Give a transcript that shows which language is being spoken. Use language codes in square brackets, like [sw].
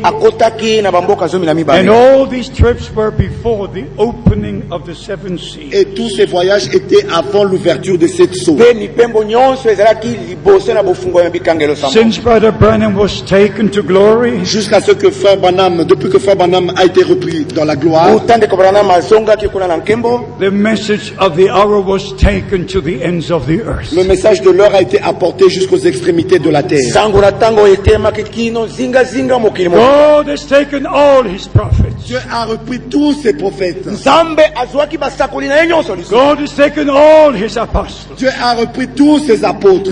[en] all these trips were before the opening of the seven seas. [fr] Et tous ces voyages étaient avant l'ouverture de 7 seaux. [en] Since Brother Branham was taken to glory, [fr] jusqu'à ce que Frère Branham, depuis que Frère Branham a été repris dans la gloire, [en] the message of the hour was taken to the ends of the earth. [fr] Le message de l'heure a été apporté jusqu'aux extrémités de la terre. [en] God has taken all his prophets. [fr] Dieu a repris tous ses prophètes. [ln] Zambe azwaki basakoli na yenyonso. [en] God has taken all his apostles. [fr] Dieu a repris tous ses apôtres.